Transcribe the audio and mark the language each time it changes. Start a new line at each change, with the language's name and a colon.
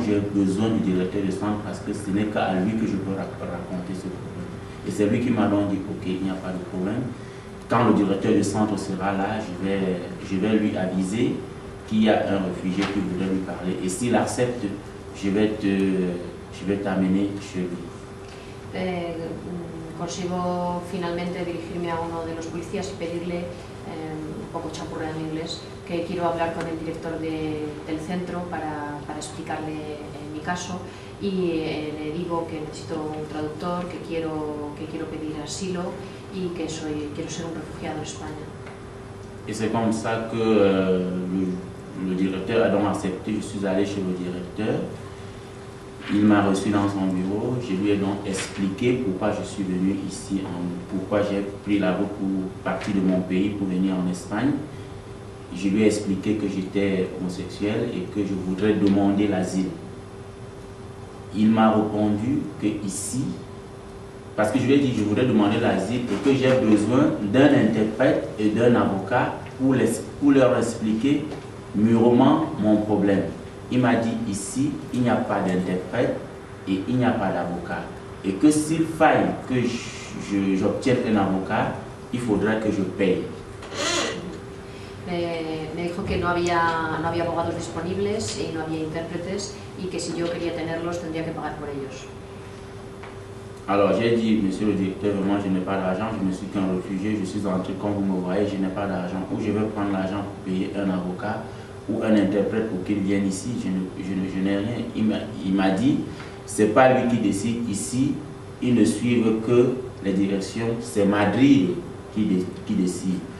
French: J'ai besoin du directeur du centre parce que ce n'est qu'à lui que je peux raconter ce problème. Et c'est lui qui m'a donc dit ok, il n'y a pas de problème. Quand le directeur du centre sera là, je vais lui aviser qu'il y a un réfugié qui voudrait lui parler. Et s'il accepte, je vais t'amener chez lui.
Spanish: Consigo finalmente dirigirme a uno de los policías y pedirle, un poco chapurreado en inglés, que quiero hablar con el director del centro para explicarle mi caso y le digo que necesito un traductor, que quiero pedir asilo y que quiero ser un refugiado en España. Y es como así que el director ha aceptado, yo estoy
French: allé chez
Spanish: el director.
French: Il m'a reçu dans son bureau, je lui ai donc expliqué pourquoi je suis venu ici, pourquoi j'ai pris la route pour partir de mon pays pour venir en Espagne. Je lui ai expliqué que j'étais homosexuel et que je voudrais demander l'asile. Il m'a répondu que ici, parce que je lui ai dit que je voudrais demander l'asile et que j'ai besoin d'un interprète et d'un avocat pour leur expliquer mûrement mon problème. Il m'a dit ici, il n'y a pas d'interprète et il n'y a pas d'avocat. Et que s'il faille que j'obtienne un avocat, il faudra que je paye.
Spanish: Me dijo que no había abogados disponibles y no había intérpretes y que si yo quería tenerlos, tendría que pagar por ellos.
French: Alors j'ai dit, monsieur le directeur, vraiment je n'ai pas d'argent, je ne suis qu'un réfugié, je suis entré comme vous me voyez, je n'ai pas d'argent. Ou je vais prendre l'argent pour payer un avocat ou un interprète pour qu'il vienne ici, je n'ai rien. Il m'a dit, c'est pas lui qui décide ici, il ne suit que les directions, c'est Madrid qui décide.